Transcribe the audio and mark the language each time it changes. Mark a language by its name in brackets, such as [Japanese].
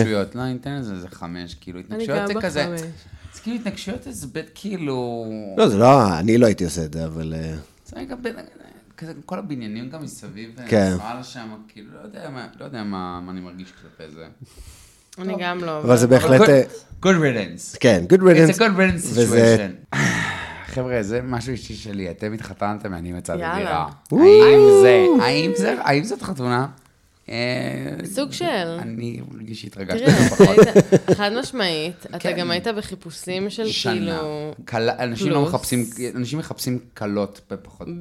[Hebrew] לא, אני אתן לזה 5, כאילו, התנגשויות זה כזה... אני גם בחמש. זה כאילו, התנגשויות זה בית כאילו... לא, זה לא... אני לא הייתי עושה את זה, אבל... זה רגע בין... כזה, כל הבניינים גם מסביב... כן. נפל שם, כאילו, לא יודע מה אני מרגיש כלפי זה. אני גם לא. אבל זה בהחלט... [English] Good riddance. כן, good riddance. It's a good riddance situation. [Hebrew] חבר'ה, זה משהו אישי שלי. אתם התחתנתם, אני מצד הדירה. יאללה. האם זה? האם זאת חתונה? סוג של... אני מרגיש שהתרגשתי פחות. חד משמעית, אתה גם היית בחיפושים של כאילו... אנשים לא מחפשים, אנשים מחפשים קלות בפחות זמן.